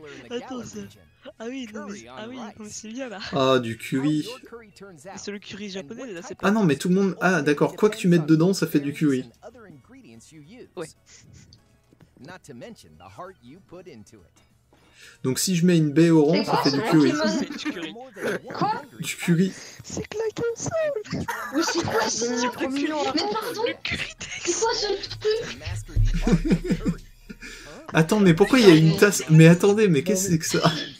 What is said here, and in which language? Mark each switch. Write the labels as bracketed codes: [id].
[fr] Attends, ah oui, c'est bien là. Ah, du curry. C'est le curry japonais là, c'est pas. Ah non, mais tout le monde. Ah d'accord, quoi que tu mettes dedans, ça fait du curry. Ouais. [en] Not to mention the heart you put into it. [fr] Donc si je mets une baie au rond, ça fait du curry. Quoi? Du curry. C'est claqué au sol. Mais c'est quoi ce truc? Mais pardon, le curry texte. C'est quoi ce truc? Attends, mais pourquoi il y a une tasse? Mais attendez, mais qu'est-ce que c'est que ça?